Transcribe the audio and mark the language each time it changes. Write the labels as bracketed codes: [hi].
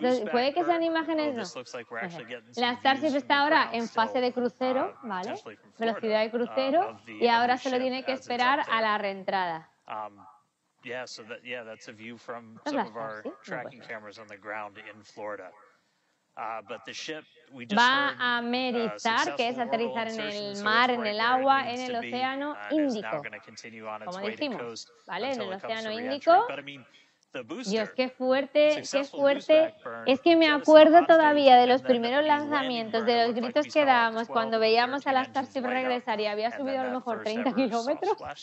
[es] Puede que sean imágenes. No. La Starship está ahora en fase de crucero, ¿vale? Velocidad de crucero. Y ahora solo tiene que esperar a la reentrada. [en] That's a view from some of our tracking cameras on the ground in Florida. But the ship, we just [es] va a amerizar, que es aterrizar en el mar, en el agua, en el Océano Índico, como decimos, ¿vale? En el Océano Índico. Dios, qué fuerte. Es que me acuerdo todavía de los primeros lanzamientos, de los gritos que dábamos cuando veíamos a la Starship regresar y había subido a lo mejor 30 kilómetros.